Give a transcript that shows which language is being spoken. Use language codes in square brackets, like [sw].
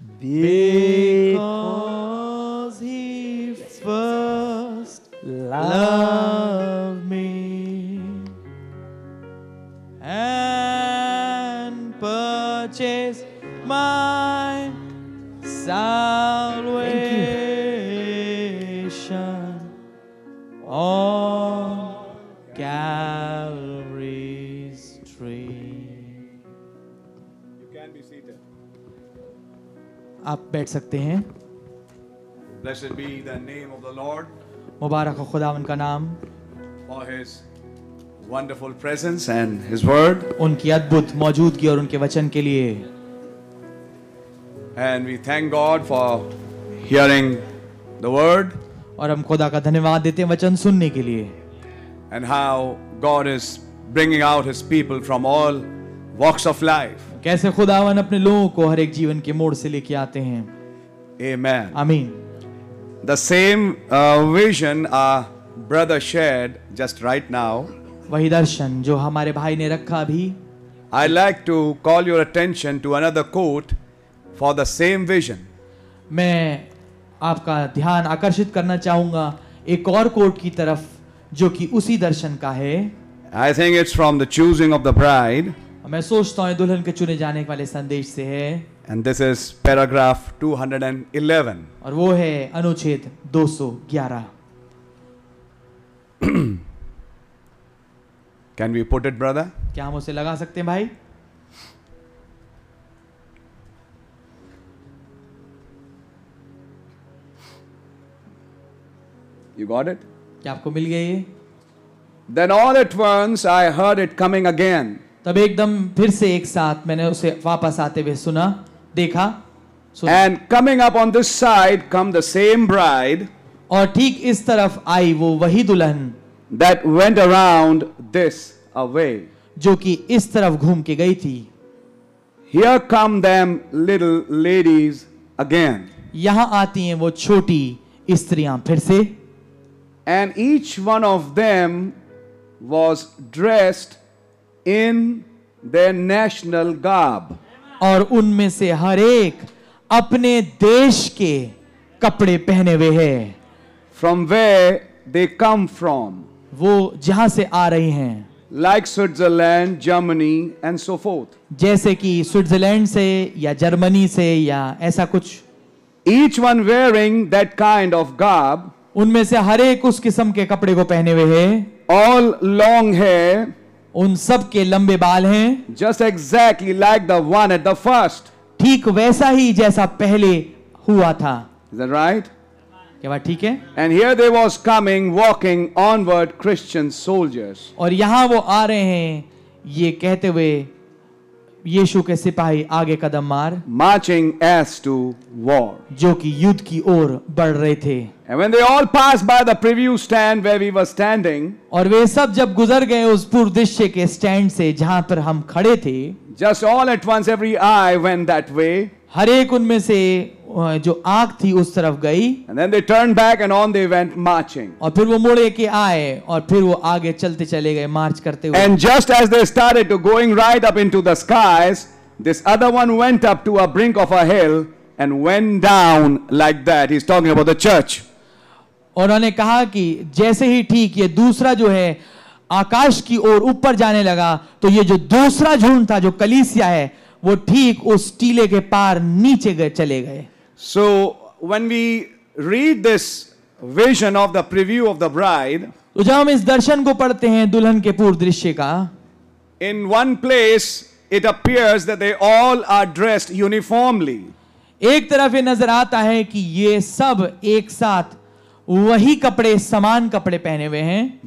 [en] Because he first loved me and purchased my salvation on Calvary's tree. You can be seated. [hi] आप बैठ सकते हैं. [en] Blessed be the name of the Lord. [hi] मुबारक हो खुदावन का नाम. [en] For his wonderful presence and his word. [hi] उनकी अद्भुत मौजूदगी और उनके वचन के लिए. [en] And we thank God for hearing the word. [hi] और हम खुदा का धन्यवाद देते हैं वचन सुनने के लिए. [en] And how God is bringing out his people from all walks of life. [hi] कैसे खुदावन अपने लोगों को हर एक जीवन के मोड़ से लेके आते हैं. [en] Amen. Amen. The same vision our brother shared just right now. [hi] वही दर्शन जो हमारे भाई ने रखा अभी. [en] I'd like to call your attention to another quote for the same vision. [hi] मैं आपका ध्यान आकर्षित करना चाहूंगा एक और कोट की तरफ जो कि उसी दर्शन का है. [en] I think it's from the choosing of the bride. [hi] मैं सोचता हूँ दुल्हन के चुने जाने वाले संदेश से है. [en] And this is paragraph 211. [hi] और वो है अनुच्छेद 211. [en] Can we put it, brother? [hi] क्या हम उसे लगा सकते हैं भाई? [en] You got it? [hi] क्या आपको मिल गई? [en] Then all at once I heard it coming again. [hi] तब एकदम फिर से एक साथ मैंने उसे वापस आते हुए सुना, देखा. [en] And coming up on this side come the same bride. [hi] और ठीक इस तरफ आई वो वही दुल्हन. [en] That went around this way. [hi] जो कि इस तरफ घूम के गई थी. [en] Here come them little ladies again. [hi] यहाँ आती हैं वो छोटी स्त्रियां फिर से. [en] And each one of them was dressed in their national garb. [hi] और उनमें से हर एक अपने देश के कपड़े पहने हुए हैं. [en] From where they come from. [hi] वो जहां से आ रही हैं. [en] Like Switzerland, Germany and so forth. [hi] जैसे कि स्विट्जरलैंड से या जर्मनी से या ऐसा कुछ. [en] Each one wearing that kind of garb. [hi] उनमें से हर एक उस किस्म के कपड़े को पहने हुए है. [en] All long है. [hi] उन सब के लंबे बाल हैं. [en] Just exactly like the one at the first. [hi] ठीक वैसा ही जैसा पहले हुआ था. [en] Is that right? [hi] क्या बात ठीक है? [en] And here they was coming walking onward Christian soldiers. [hi] और यहां वो आ रहे हैं ये कहते हुए यीशु के सिपाही आगे कदम मार. [en] Marching as to war. [hi] जो कि युद्ध की ओर बढ़ रहे थे. [en] And when they all passed by the preview stand where we were standing. [hi] और वे सब जब गुजर गए उस पूर्व दृश्य के स्टैंड से जहां पर हम खड़े थे. [en] Just all at once every eye went that way. [hi] हर एक उनमें से जो आंख थी उस तरफ गई. [en] And then they turned back and on they went marching. [hi] और फिर वो मुड़े के आए और फिर वो आगे चलते चले गए मार्च करते हुए. [en] And just as they started to going right up into the skies, this other one went up to a brink of a hill and went down like that. He's talking about the church. [hi] और उन्होंने कहा कि जैसे ही ठीक ये दूसरा जो है आकाश की ओर ऊपर जाने लगा तो ये जो दूसरा झुंड था जो कलीसिया है वो ठीक उस टीले के पार नीचे गए चले गए. [en] So when we read this vision of the preview of the bride, [hi] तो जब हम इस दर्शन को पढ़ते हैं दुल्हन के पूर्व दृश्य का, [en] in one place it appears that they all are dressed uniformly, [hi] एक तरफ ये नजर आता है कि ये सब एक साथ वही कपड़े, समान कपड़े पहने हुए हैं,